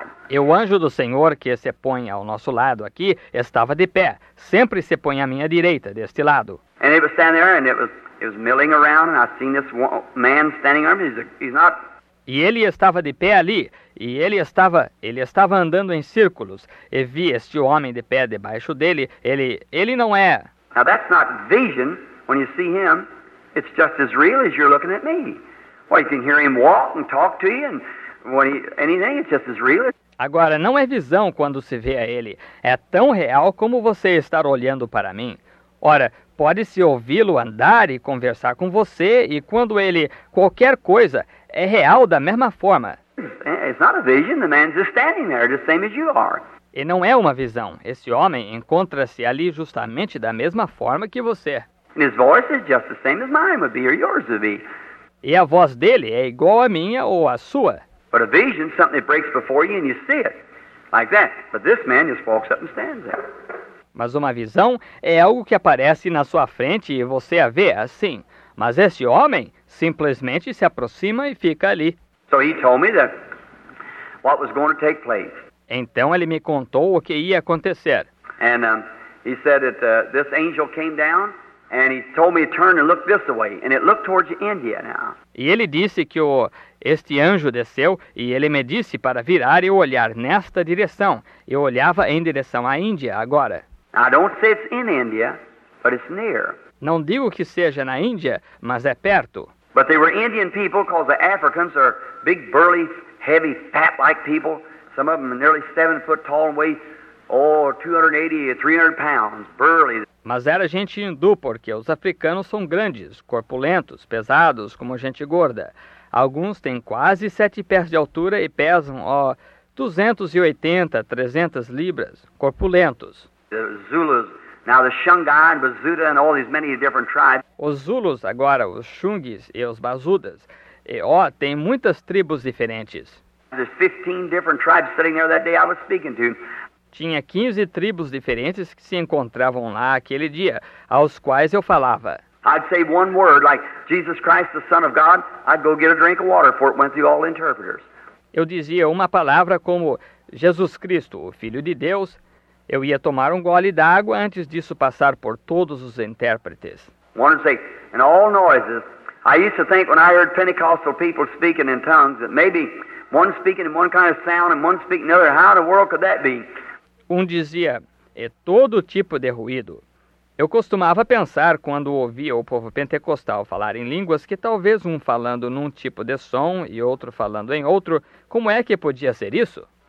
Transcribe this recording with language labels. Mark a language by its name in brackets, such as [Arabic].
[Portuguese] E o anjo do Senhor, que se põe ao nosso lado aqui, estava de pé. Sempre se põe à minha direita, deste lado. E ele estava lá, e ele estava... [English] He was milling around, and I seen this man standing there. He's not. [Portuguese] E ele estava de pé ali, e ele estava andando em círculos. E vi este homem de pé debaixo dele. Ele não é. [English] Now that's not vision. When you see him, it's just as real as you're looking at me. Well, you can hear him walk and talk to you, and when anything, it's just as real. [Portuguese] Agora não é visão quando se vê a ele. É tão real como você estar olhando para mim. Ora, pode-se ouvi-lo andar e conversar com você, e quando ele, qualquer coisa, é real da mesma forma. [English] It's not a vision, the man's just standing there, the same as you are. [Portuguese] E não é uma visão. Esse homem encontra-se ali justamente da mesma forma que você. [English] And his voice is just the same as mine would be, or yours would be. [Portuguese] E a voz dele é igual a minha ou a sua. [English] But a vision is something that breaks before you and you see it, like that. But this man just walks up and stands there. [Portuguese] Mas uma visão é algo que aparece na sua frente e você a vê assim. Mas esse homem simplesmente se aproxima e fica ali. [English] So he told me that what was going to take place. [Portuguese] Então ele me contou o que ia acontecer. [English] And he said that this angel came down and he told me to turn and look this way and it looked towards India now. [Portuguese] E ele disse que este anjo desceu e ele me disse para virar e olhar nesta direção. Eu olhava em direção à Índia agora. [English] I don't say it's in India, but it's near. [Portuguese] Não digo que seja na Índia, mas é perto. [English] But they were Indian people, because the Africans are big, burly, heavy, fat-like people. Some of them are nearly 7 foot tall and weigh 280 or 300 pounds, burly. [Portuguese] Mas era gente hindu, porque os africanos são grandes, corpulentos, pesados, como gente gorda. Alguns têm quase 7 pés de altura e pesam 280, 300 libras, corpulentos. [English] The Zulus, now the Xangai and Bazuda and all these many different tribes. [Portuguese] Os Zulus, agora os Xungis e os Bazudas, e tem muitas tribos diferentes. [English] There's 15 different tribes sitting there that day I was speaking to. [Portuguese] Tinha 15 tribos diferentes que se encontravam lá aquele dia, aos quais eu falava. [English] I'd say one word like Jesus Christ, the Son of God, I'd go get a drink of water before it went through all the interpreters. [Portuguese] Eu dizia uma palavra como Jesus Cristo, o Filho de Deus. Eu ia tomar um gole d'água antes disso passar por todos os intérpretes. [English] And all noises, I used to think when I heard Pentecostal people speaking in tongues that maybe one speaking in one kind of sound and one speaking another, how in the world could that be? [Portuguese] Dizia, é todo tipo de ruído. Eu costumava pensar quando ouvia o povo pentecostal falar em línguas que talvez um falando num tipo de som e outro falando em outro, como é que podia ser isso?